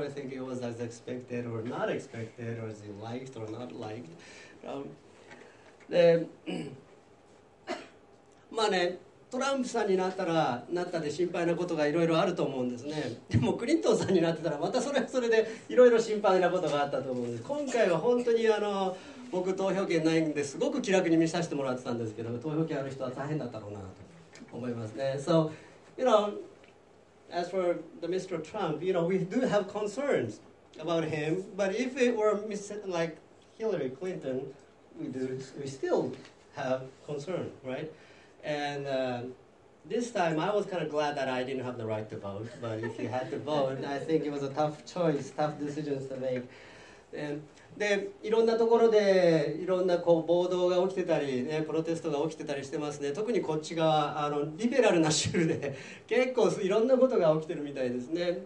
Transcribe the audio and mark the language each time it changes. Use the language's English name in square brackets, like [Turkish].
[English] I think it was as expected or not expected, or as you liked or not liked. [Japanese] で、まあね、トランプさんになったらなったで心配なことがいろいろあると思うんですね。でもクリントンさんになってたらまたそれはそれでいろいろ心配なことがあったと思うんです。今回は本当に僕投票権ないんですごく気楽に見させてもらってたんですけど、投票権ある人は大変だったろうなと思いますね。 [English] So, you know, as for the Mr. Trump, you know, we do have concerns about him, but if it were like Hillary Clinton, we still have concern, right? And this time, I was kind of glad that I didn't have the right to vote. But if you had to vote, I think it was a tough choice, tough decisions to make. [Japanese] で、いろんなところでいろんなこう暴動が起きてたり、ね、プロテストが起きてたりしてますね。特にこっち側、リベラルな州で結構いろんなことが起きてるみたいですね。